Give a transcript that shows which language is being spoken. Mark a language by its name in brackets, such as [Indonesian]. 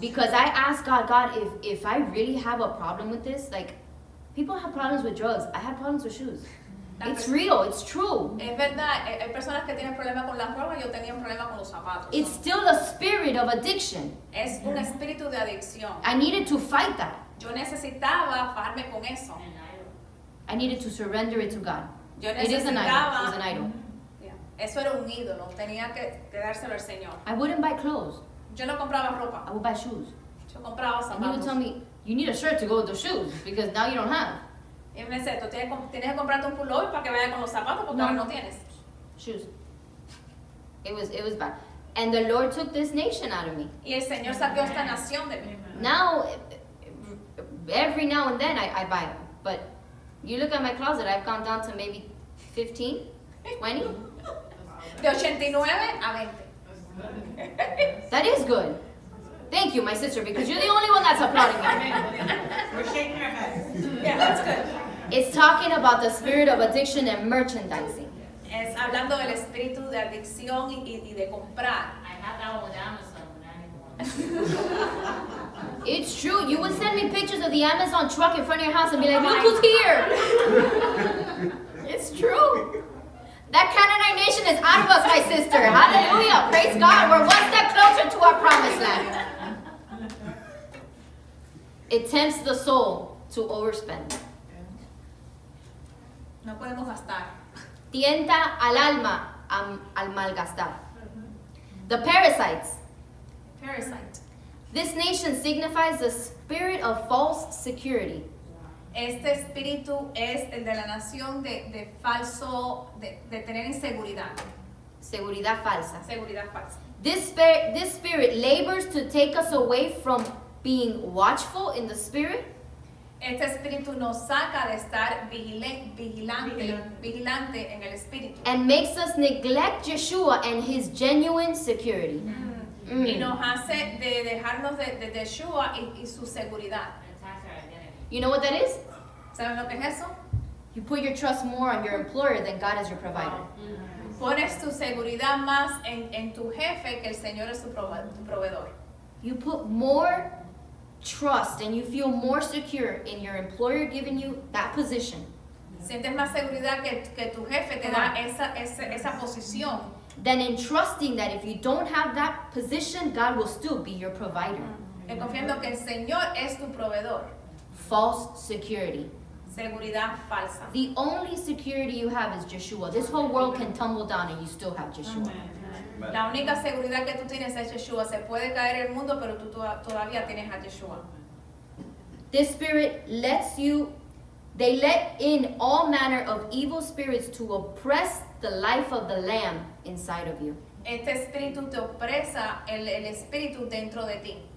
[English] Because I asked God, God, if I really have a problem with this, like, people have problems with drugs. I have problems with shoes. It's real. It's true. [Spanish] Es verdad. Hay personas que tienen problemas con las drogas. Yo tenía un problema con los zapatos. [English] It's still a spirit of addiction. [Spanish] Es un espíritu de adicción. [English] I needed to fight that. [Spanish] Yo necesitaba pararme con eso. [English] I needed to surrender it to God. [Spanish] Yo necesitaba. [English] It is an idol. It's an idol. [Spanish] Yeah. Eso era un ídolo. Tenía que dárselo al Señor. [English] I wouldn't buy clothes. [Spanish] Yo no compraba ropa. [English] I would buy shoes. [Spanish] Yo compraba zapatos. [English] And he would tell me, you need a shirt to go with the shoes because now you don't have. [Spanish] Y me dice, tú tienes que comprarte un pullover para que vaya con los zapatos porque ahora no tienes. [English] Shoes. It was bad. And the Lord took this nation out of me. [Spanish] Y el Señor sacó esta nación de mí. [English] Now, every now and then I buy them. But you look at my closet, I've gone down to maybe 15, 20. [Spanish] De 89 a 20. [English] That is good. Thank you, my sister, because you're the only one that's applauding me. We're shaking our heads. Yeah, that's good. It's talking about the spirit of addiction and merchandising. [Spanish] Es hablando del espíritu de adicción y de comprar. [English] I have that one with Amazon, but I need one. It's true. You would send me pictures of the Amazon truck in front of your house and be like, look who's here. It's true. That Canaanite nation is out of us, my sister. Hallelujah. Praise God. We're one step closer to our promised land. It tempts the soul to overspend. [Spanish] No podemos gastar. Tienta al alma al malgastar. [English] The parasites. Parasite. This nation signifies the spirit of false security. [Spanish] Este espíritu es el de la nación de falso, de tener inseguridad. Seguridad falsa. Seguridad falsa. [English] This spirit labors to take us away from being watchful in the spirit. [Spanish] Este espíritu nos saca de estar vigilante en el espíritu. [English] And makes us neglect Yeshua and his genuine security. Mm. [Spanish] Mm. Y nos hace de dejarnos de Yeshua y su seguridad. [English] You know what that is? [Spanish] ¿Saben lo que es eso? [English] You put your trust more on your employer than God as your provider. [Spanish] Pones tu seguridad más en tu jefe que el Señor es tu proveedor. [English] You put more trust and you feel more secure in your employer giving you that position. [Spanish] Sientes más seguridad que tu jefe te da esa posición. [English] Than in trusting that if you don't have that position, God will still be your provider. [Spanish] Y confiando que el Señor es tu proveedor. [English] False security. [Spanish] Seguridad falsa. [English] The only security you have is Yeshua. This whole world can tumble down and you still have Yeshua. Amen. [Spanish] La única seguridad que tú tienes es Yeshua. Se puede caer el mundo, pero tú todavía tienes a Yeshua. [English] This spirit lets you, they let in all manner of evil spirits to oppress the life of the Lamb inside of you. [Spanish] Este espíritu te opresa el espíritu dentro de ti.